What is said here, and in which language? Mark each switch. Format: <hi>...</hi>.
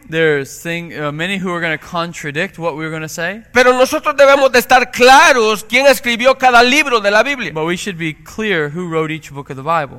<en>Many who are going to contradict what we're going to say.</en> <es>Pero nosotros debemos de estar claros quién escribió cada libro de la Biblia.</es> <en>But we should be clear who wrote each book of the Bible.</en>